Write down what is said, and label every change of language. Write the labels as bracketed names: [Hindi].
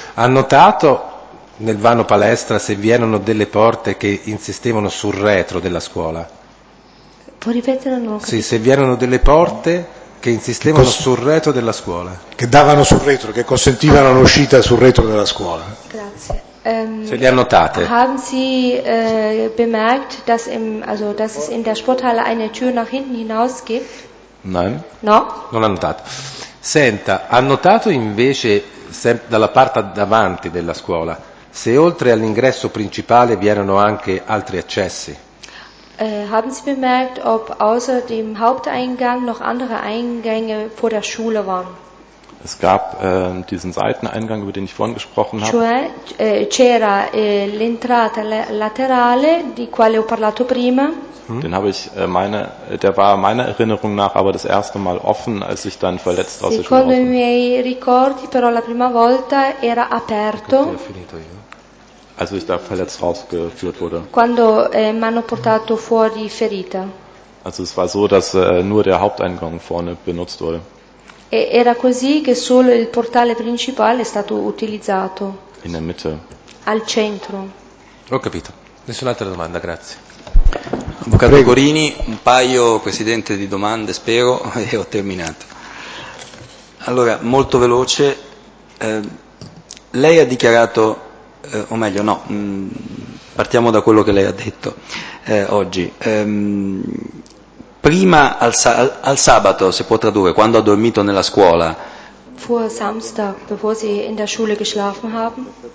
[Italian] Ha notato nel vano palestra se vi erano delle porte che insistevano sul retro della scuola? Può ripetere? Non ho capito. Sì, se vi erano delle porte che insistevano sul retro della scuola. Che davano sul retro, che consentivano l'uscita sul retro della scuola. Grazie. Se li annotate. [German] Haben Sie bemerkt, dass im also dass es in der Sporthalle eine Tür nach hinten hinaus gibt? Nein. [Italian] No. Non ha notato. Senta, ha notato invece dalla parte davanti della scuola se oltre all'ingresso principale vi erano anche altri accessi? [German] Haben Sie bemerkt, ob außer dem Haupteingang noch andere Eingänge vor der Schule waren? Es gab diesen Seiteneingang, über den ich vorhin gesprochen habe. [Italian] Cioè, c'era l'entrata laterale di quale ho parlato prima. [German] Den habe ich der war meiner Erinnerung nach aber das erste Mal offen, als ich dann verletzt aus der Schule. [Italian] Secondo i miei ricordi, però la prima volta era aperto. [German] Als ich da verletzt rausgeführt wurde. [Italian] Quando m'hanno portato fuori ferita. [German] Also es war so, dass nur der Haupteingang vorne benutzt wurde. [Italian] E era così che solo il portale principale è stato utilizzato. [German] In der Mitte. [Italian] Al centro. Ho capito. Nessun'altra domanda, grazie. Avvocato Gorini, un paio, Presidente, di domande, spero, e ho terminato. Allora, molto veloce. Lei ha dichiarato... o meglio no, partiamo da quello che lei ha detto oggi. Prima al sabato, si può tradurre, quando ha dormito nella scuola. [German] Vor Samstag, bevor sie in der Schule geschlafen haben.